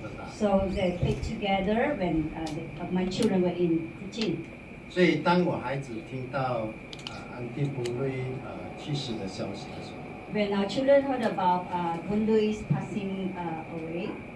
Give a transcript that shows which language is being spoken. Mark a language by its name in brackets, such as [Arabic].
[English] So they played together when my children were in Kuching. [Chinese] 所以当我孩子听到安定不瑞去世的消息的时候, [English] when our children heard about Boon Lui's passing away,